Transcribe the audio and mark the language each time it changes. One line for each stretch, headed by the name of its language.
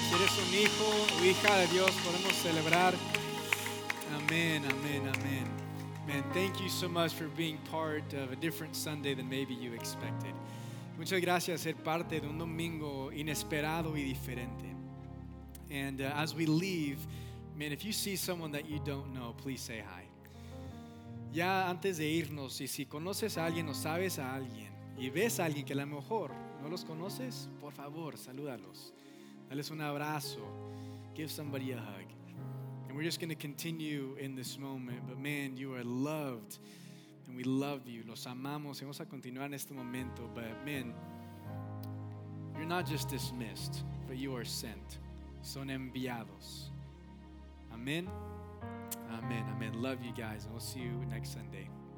Spanish: Si eres un hijo o hija de Dios, podemos celebrar.
English: Amen, amen, amen. Man, thank you so much for being part of a different Sunday than maybe you expected.
Spanish: Muchas gracias por ser parte de un domingo inesperado y diferente.
English: And as we leave, man, if you see someone that you don't know, please say hi.
Spanish: Ya antes de irnos, y si conoces a alguien o sabes a alguien, y ves a alguien que a lo mejor no los conoces, por favor, salúdalos. Dales un abrazo.
English: Give somebody a hug. And we're just going to continue in this moment. But man, you are loved. And we love you.
Spanish: Los amamos. Y vamos a continuar en este momento.
English: But man, you're not just dismissed, but you are sent.
Spanish: Son enviados.
English: Amen. Amen. Amen. Love you guys. And we'll see you next Sunday.